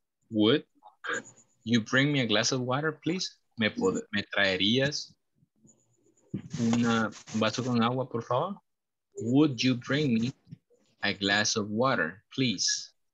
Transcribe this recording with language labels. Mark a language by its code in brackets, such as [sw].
[en] Would you bring me a glass of water, please? [es] ¿Me traerías un vaso con agua, por favor? [en] Would you bring me a glass of water, please?